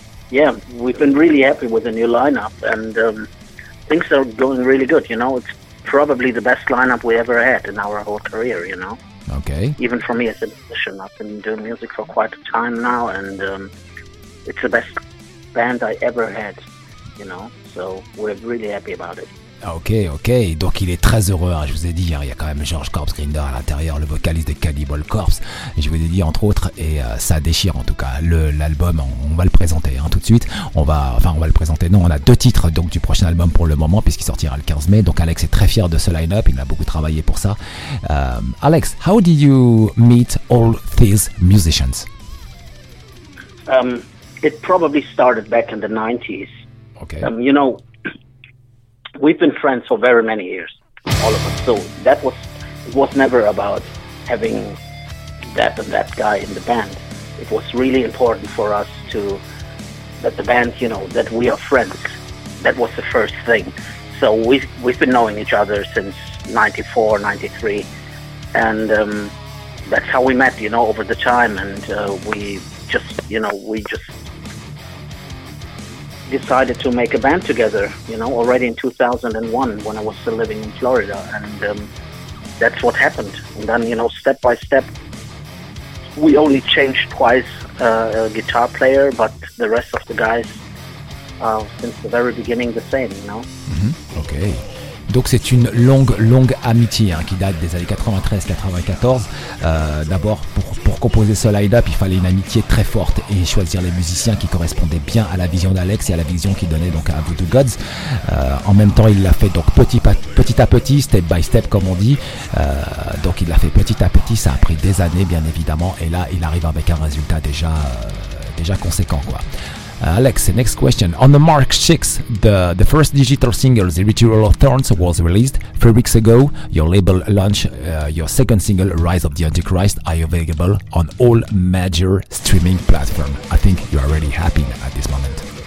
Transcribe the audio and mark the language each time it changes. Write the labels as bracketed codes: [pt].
[en] Yeah, we've been really happy with the new lineup, and things are going really good, you know. It's probably the best lineup we ever had in our whole career, you know. Okay. Even for me as a musician, I've been doing music for quite a time now, and it's the best band I ever had, you know. So we're really happy about it. [fr] Ok, donc il est très heureux, hein, je vous ai dit, hein, il y a quand même George Corpse Grinder à l'intérieur, le vocaliste de Cannibal Corpse, je vous ai dit entre autres, et ça déchire en tout cas, l'album, on va le présenter hein, tout de suite, on a deux titres donc du prochain album pour le moment, puisqu'il sortira le 15 mai, donc Alex est très fier de ce line-up, il a beaucoup travaillé pour ça. [en] Alex, how did you meet all these musicians? It probably started back in the 90s. Okay. You know, we've been friends for very many years, all of us. So that was never about having that and that guy in the band. It was really important for us to, that the band, you know, that we are friends. That was the first thing. So we've been knowing each other since 94, 93. And that's how we met, you know, over the time. And we just decided to make a band together, you know, already in 2001 when I was still living in Florida, and that's what happened. And then, you know, step by step, we only changed twice a guitar player, but the rest of the guys are since the very beginning the same, you know. Mm-hmm. Okay. [fr] Donc c'est une longue amitié hein, qui date des années 93-94. D'abord, pour composer ce line-up, il fallait une amitié très forte et choisir les musiciens qui correspondaient bien à la vision d'Alex et à la vision qu'il donnait donc à Voodoo Gods. En même temps, il l'a fait donc petit à petit, [en] step by step [fr] comme on dit. Donc il l'a fait petit à petit, ça a pris des années bien évidemment. Et là, il arrive avec un résultat déjà conséquent quoi. [en] Alex, next question. On the Mark 6, the first digital single, The Ritual of Thorns, was released 3 weeks ago. Your label launched your second single, Rise of the Antichrist, are available on all major streaming platforms. I think you are really happy at this moment.